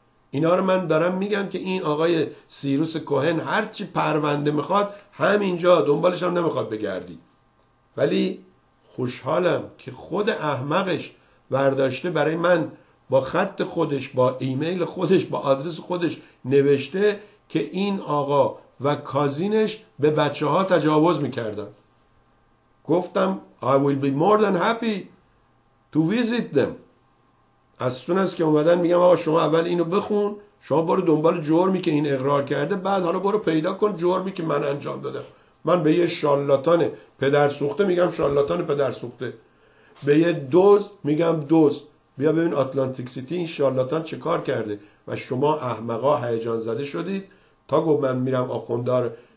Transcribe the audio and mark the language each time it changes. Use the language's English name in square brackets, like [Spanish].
[Persian] اینا رو من دارم میگم که این آقای سیروس کوهن هرچی پرونده میخواد همینجا دنبالش هم نمیخواد بگردی. ولی خوشحالم که خود احمقش برداشته برای من با خط خودش، با ایمیل خودش، با آدرس خودش نوشته که این آقا و کازینش به بچه ها تجاوز میکردن. [English] گفتم I will be more than happy to visit them. [Persian] از سون است که اومدن میگم آقا شما اول اینو بخون، شما برو دنبال جرمی که این اقرار کرده، بعد حالا برو پیدا کن جرمی که من انجام دادم. من به یه شالاتان پدر سوخته میگم شالاتان پدر سوخته، به یه دوز میگم دوز. بیا ببین اتلانتیک سیتی این شالاتان چه کار کرده. و شما احمقا هیجان زده شدید تا گفت من میرم آخوندار.